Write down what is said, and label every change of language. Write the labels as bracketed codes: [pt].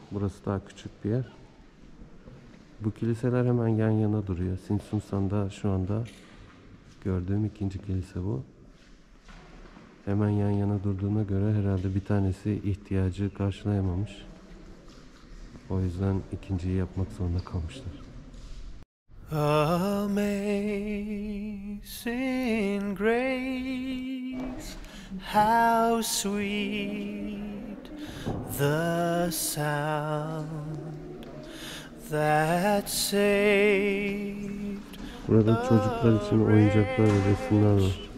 [tr] Burası daha küçük bir yer. Bu kiliseler hemen yan yana duruyor. Simsumsan'da şu anda gördüğüm ikinci kilise bu. Hemen yan yana durduğuna göre herhalde bir tanesi ihtiyacı karşılayamamış. O yüzden ikinciyi yapmak zorunda kalmışlar. [en] Amazing grace, how sweet the sound that saved. [tr] Burada çocuklar için oyuncaklar ve resimler var.